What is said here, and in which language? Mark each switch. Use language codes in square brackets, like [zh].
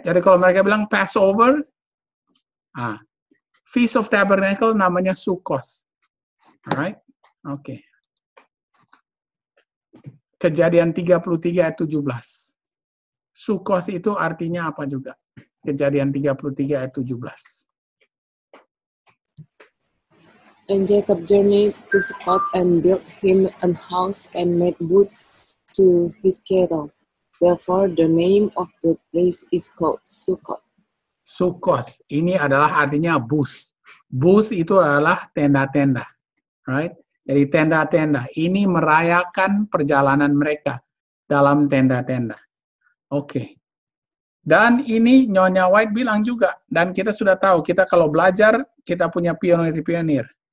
[id] Jadi kalau mereka bilang Passover, Feast of Tabernacle namanya Sukkos, right? Oke. Okay. Kejadian 33 ayat 17. Sukkos itu artinya apa juga? Kejadian 33 ayat 17. [en] And Jacob journeyed to Sukkot and built him an house and made booths to his cattle. Therefore the name of the place is called Sukkot. [id] Sukkos ini adalah artinya booth. Booth itu adalah tenda-tenda. Right? Jadi tenda-tenda ini merayakan perjalanan mereka dalam tenda-tenda. Oke. Dan ini Nyonya White bilang juga, dan kita sudah tahu, kita kalau belajar, kita punya pionir-pionir.